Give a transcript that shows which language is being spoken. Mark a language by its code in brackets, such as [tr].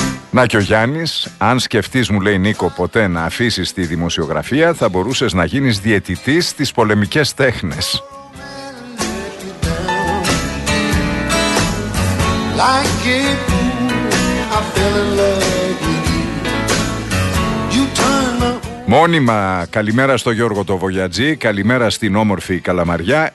[el] Να και ο Γιάννης, αν σκεφτείς, μου λέει, Νίκο, ποτέ να αφήσεις τη δημοσιογραφία, θα μπορούσες να γίνεις διαιτητής στις πολεμικές τέχνες. [en] Like it, ooh, I fell in love with you. You turn my... [el] Μόνιμα, καλημέρα στο Γιώργο το Βογιατζή, καλημέρα στην όμορφη Καλαμαριά.